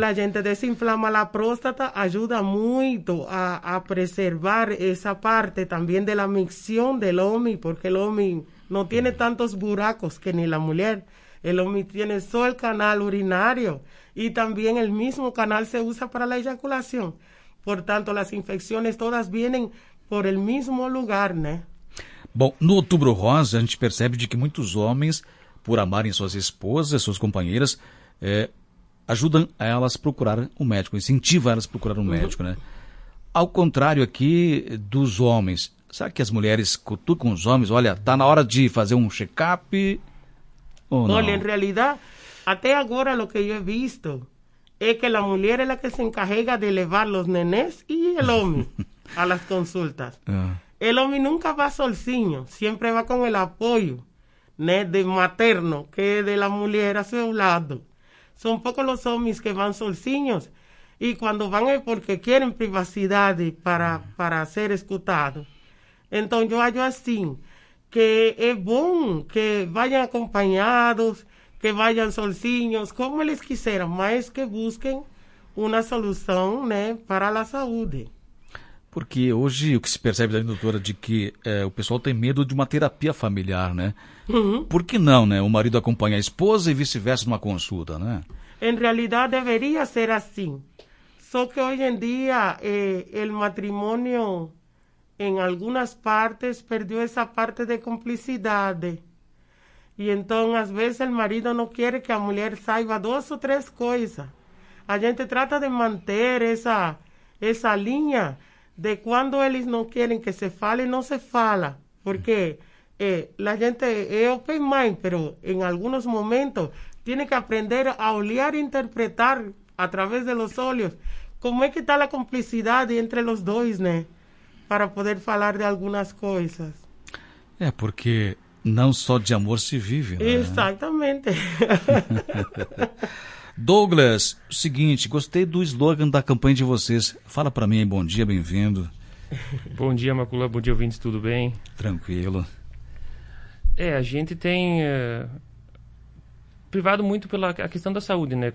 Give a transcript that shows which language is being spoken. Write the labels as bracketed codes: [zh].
[es] la gente desinflama la próstata, ayuda mucho a preservar esa parte también de la micción del hombre, porque el hombre no tiene tantos [pt] buracos que [es] ni la mujer. El hombre tiene solo el canal urinario y también el mismo canal se usa para la eyaculación. Por tanto, las infecciones todas vienen por el mismo lugar, ¿no? [pt] Bom, no Outubro Rosa, a gente percebe de que [es] muchos hombres, [pt] por amarem suas esposas, suas companheiras, ajudam a elas a procurar um médico, incentivam elas a procurar um médico, né? Ao contrário aqui dos homens, será que as mulheres cutucam os homens? Olha, está na hora de fazer um check-up ou não? Olha, em realidade, até agora o que eu [es] he visto [pt] é que a mulher é a que se encarrega de levar os nenés e o homem [es] a las consultas. [pt] O homem nunca vai sozinho, sempre vai com o apoio, né, de materno, que [es] de la mujer a su lado. Son pocos los hombres que van solciños y cuando van es porque quieren privacidad para ser escuchados. Entonces yo hallo así, que es bueno que vayan acompañados, que vayan solciños, como les quisieran, más que busquen una solución, [pt] né, [es] para la salud. [pt] Porque hoje o que se percebe daí, doutora, de que o pessoal tem medo de uma terapia familiar, né? Por que não, né? O marido acompanha a esposa e vice-versa numa consulta, né? Em realidade, deveria ser assim. Só que hoje em dia, o matrimônio, em algumas partes, perdeu essa parte de cumplicidade. E então, às vezes, o marido não quer que a mulher saiba duas ou três coisas. A gente trata de manter essa linha de [es] cuando ellos no quieren que se fale, no se [pt] fala. [es] Porque la gente es [en] open mind, [es] pero en algunos momentos tiene que aprender a olear e interpretar a través de los ojos cómo es que está la complicidad entre los dos, ¿no? Para poder hablar de algunas cosas. Porque no solo de amor se vive, ¿no? Exactamente. [pt] Douglas, seguinte, gostei do slogan da campanha de vocês. Fala para mim, bom dia, bem-vindo. Bom dia, Macula, bom dia, ouvintes, tudo bem? Tranquilo. A gente tem privado muito pela a questão da saúde, né?